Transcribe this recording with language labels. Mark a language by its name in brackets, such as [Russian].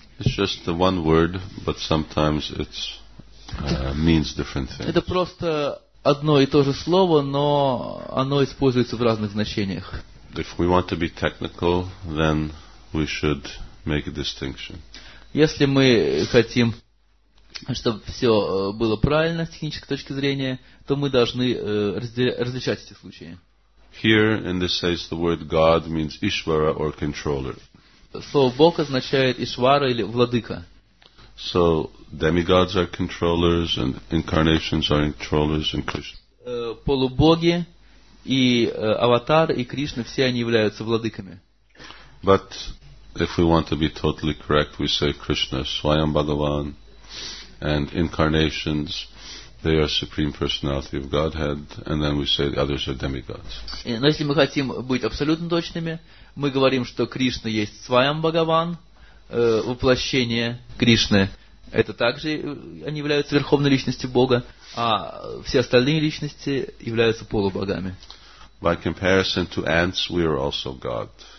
[English] It's just the one word, but sometimes it means different things. [Russian] Это просто одно и то же слово, но оно используется в разных значениях. [English] If we want to be technical, then we should make a distinction. [Russian] Если мы хотим, чтобы все было правильно с технической точки зрения, то мы должны различать эти случаи. [English] Here in this case the word God means Ishvara or controller. [Russian] Слово Бог означает Ишвара или Владыка. [English] So demigods are controllers and incarnations are controllers in Krishna. [Russian] Полубоги и аватар и Кришна, все они являются владыками. [English] But if we want to be totally correct, we say Krishna Swayam Bhagavan and incarnations, they are supreme personality of Godhead, and then we say the others are demigods. [Russian] Но если мы хотим быть абсолютно точными, мы говорим, что Кришна есть Свайам Бхагаван, воплощение Кришны, это также они являются верховной личностью Бога, а все остальные личности являются полубогами. [English] By comparison to ants, we are also God.